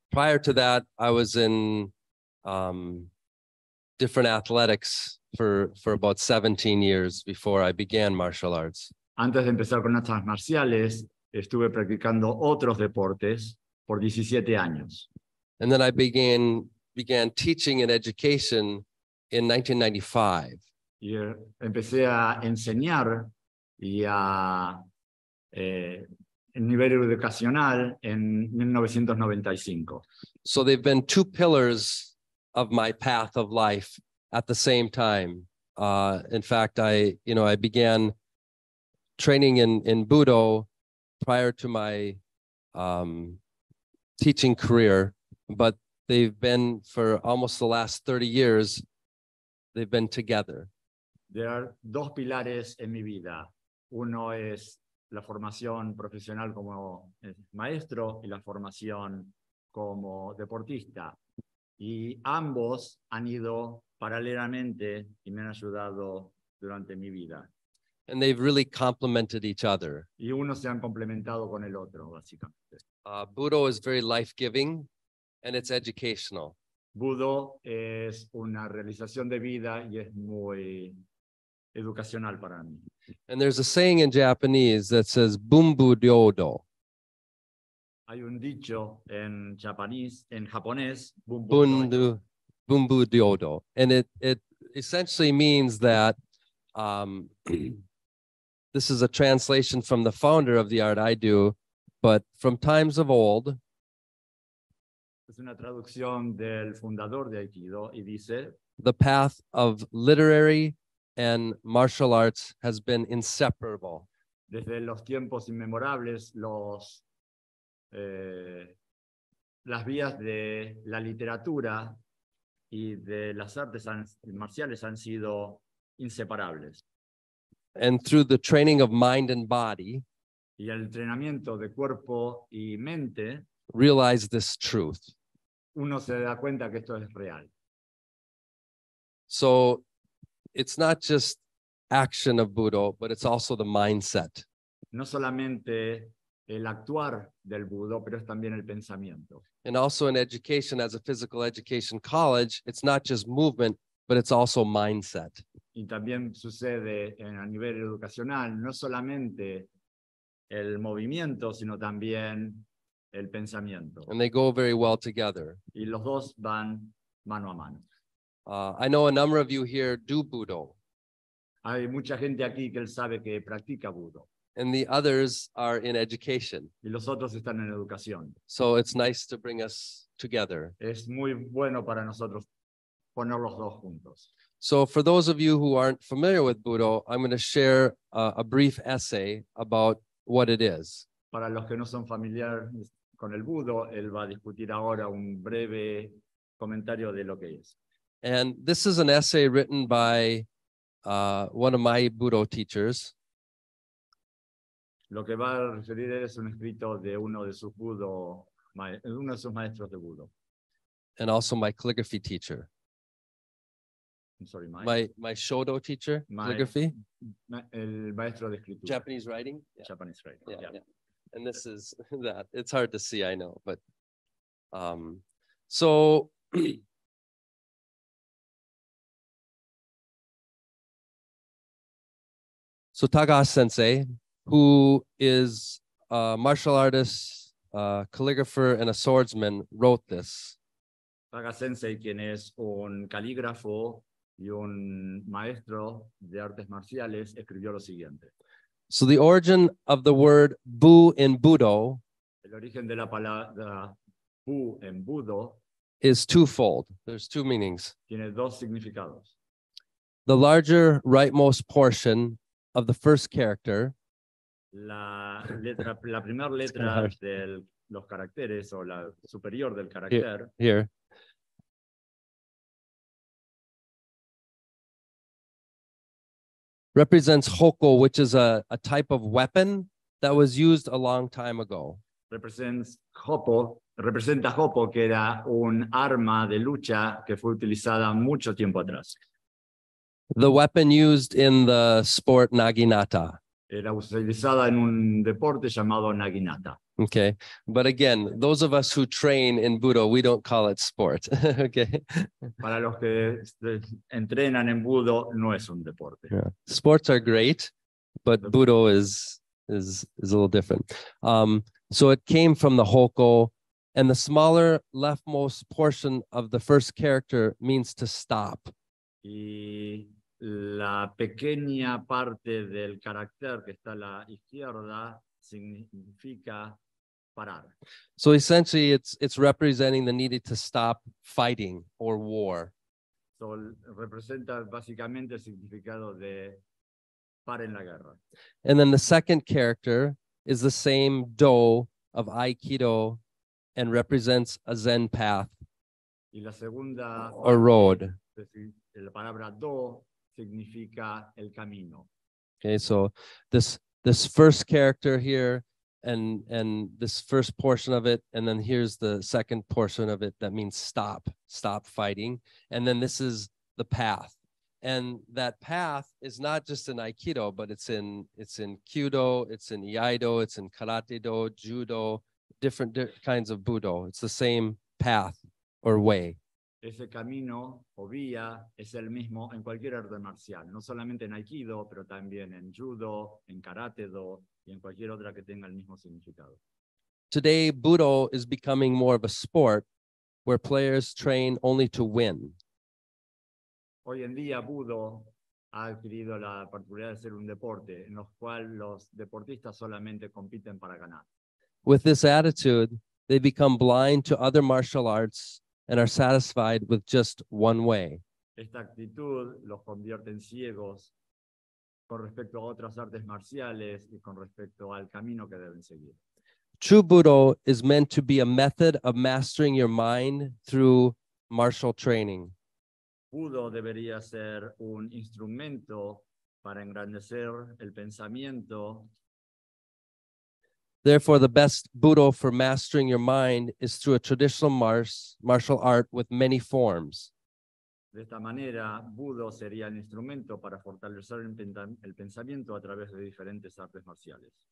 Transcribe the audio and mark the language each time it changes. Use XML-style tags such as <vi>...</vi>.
<en>Prior to that, I was in different athletics for about 17 years before I began martial arts.</en> <es>Antes de empezar con artes marciales, estuve practicando otros deportes por 17 años.</es> <en>And then I began teaching and education in 1995.</en> <es>Y empecé a enseñar y a el nivel educacional en 1995.</es> <en>So they've been two pillars of my path of life at the same time. In fact, I began training in Budo prior to my teaching career, but they've been for almost the last 30 years, they've been together. There are</en> <es>dos pilares en mi vida. Uno es la formación profesional como maestro y la formación como deportista. Y ambos han ido paralelamente y me han ayudado durante mi vida.</es> <en>And they've really complemented each other.</en> <es>Y uno se han complementado con el otro, básicamente.</es> <en>Budo is very life-giving and it's educational.</en> <es>Budo es una realización de vida y es muy educacional para mí.</es> <en>And there's a saying in Japanese that says "bumbu dodo."</en> <es>Hay un dicho en japonés</es> <en>"bumbu dodo," and it essentially means that this is a translation from the founder of the art I do, but from times of old.</en> <es>Es una traducción del fundador de Aikido y dice</es> <en>the path of literary and martial arts has been inseparable.</en> <es>Desde los tiempos inmemorables, las vías de la literatura y de las artes marciales han sido inseparables.</es> <en>And through the training of mind and body,</en> <es>y el entrenamiento de cuerpo y mente,</es> <en>realize this truth.</en> <es>Uno se da cuenta que esto es real.</es> <en>So it's not just action of Budo, but it's also the mindset.</en> <es>No solamente el actuar del Budo, pero es también el pensamiento.</es> <en>And also in education, as a physical education college, it's not just movement, but it's also mindset.</en> <es>Y también sucede a nivel educacional, no solamente el movimiento, sino también el pensamiento.</es> <en>And they go very well together.</en> <es>Y los dos van mano a mano.</es> <en>I know a number of you here do Budo.</en> <es>Hay mucha gente aquí que él sabe que practica Budo.</es> <en>And the others are in education.</en> <es>Y los otros están en educación.</es> <en>So it's nice to bring us together.</en> <es>Es muy bueno para nosotros poner los dos juntos.</es> <en>So for those of you who aren't familiar with Budo, I'm going to share a brief essay about what it is.</en> <es>Para los que no son familiares con el Budo, él va a discutir ahora un breve comentario de lo que es.</es> <en>And this is an essay written by one of my Budo teachers.</en> <es>Lo que va a referir es un escrito de uno de sus maestros de Budo.</es> <en>And also my calligraphy teacher. I'm sorry, my Shodo teacher, calligraphy.</en> <es>El maestro de escritura.</es> <en>Japanese writing? Yeah. Japanese writing, yeah. And this is that. It's hard to see, I know. But so... So Tagahashi-sensei, who is a martial artist, a calligrapher, and a swordsman, wrote this.</en> <es>Tagahashi-sensei, quien es un calígrafo y un maestro de artes marciales, escribió lo siguiente.</es> <en>So the origin of the word Bu in Budo,</en> <es>el origen de la palabra Bu en Budo,</es> <en>is twofold. There's two meanings.</en> <es>Tiene dos significados.</es> <en>The larger rightmost portion of the first character,</en> <es>la primera letra del los caracteres o la superior del carácter.</es> <en>Here. Represents hoko, which is a type of weapon that was used a long time ago.</en> <es>Representa hoko, que era un arma de lucha que fue utilizada mucho tiempo atrás.</es> <en>The weapon used in the sport naginata.</en> <es>Era utilizada en un deporte llamado naginata.</es> <en>Okay, but again, those of us who train in Budo, we don't call it sport. Okay.</en> <es>Para los que entrenan en Budo, no es un deporte.</es> <en>Yeah. Sports are great, but Budo is a little different. So it came from the hoko, and the smaller leftmost portion of the first character means to stop.</en> <es>Y la pequeña parte del carácter que está a la izquierda significa parar.</es> <en>So essentially it's representing the need to stop fighting or war.</en> <es>So representa básicamente el significado de paren la guerra.</es> <en>And then the second character is the same do of Aikido and represents a Zen path.</en> <es>Y la segunda</es> <en>or road.</en> <es>La palabra do significa el camino.</es> <en>Okay, so this first character here and this first portion of it, and then here's the second portion of it that means stop fighting. And then this is the path. And that path is not just in Aikido, but it's in Kyudo, it's in Iaido, it's in Karate Do, Judo, different kinds of Budo. It's the same path or way.</en> <es>Ese camino o vía es el mismo en cualquier arte marcial, no solamente en Aikido, pero también en Judo, en Karate Do y en cualquier otra que tenga el mismo significado.</es> <en>Today, Budo is becoming more of a sport where players train only to win.</en> <es>Hoy en día, Budo ha adquirido la particularidad de ser un deporte en el cual los deportistas solamente compiten para ganar.</es> <en>With this attitude, they become blind to other martial arts and are satisfied with just one way.</en> <es>Esta actitud los convierte en ciegos con respecto a otras artes marciales y con respecto al camino que deben seguir.</es> <en>True Budo is meant to be a method of mastering your mind through martial training.</en> <es>Budo debería ser un instrumento para engrandecer el pensamiento.</es> <en>Therefore, the best Budo for mastering your mind is through a traditional martial art with many forms.</en> <es>De esta manera, Budo sería el instrumento para fortalecer el pensamiento a través de diferentes artes marciales.</es>